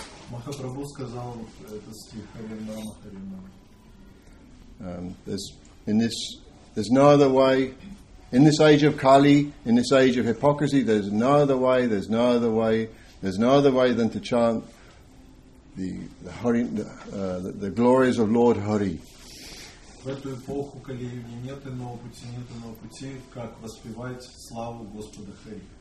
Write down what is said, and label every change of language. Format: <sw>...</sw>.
<ru>Махапрабху сказал этот стих Харинама Харинама.</ru> <en>There's no other way. In this age of Kali, in this age of hypocrisy, there's no other way. There's no other way. There's no other way than to chant the glories of Lord Hari.</en> <ru>В эту эпоху Кали нет иного пути, нет иного пути, как воспевать славу Господа Хари.</ru>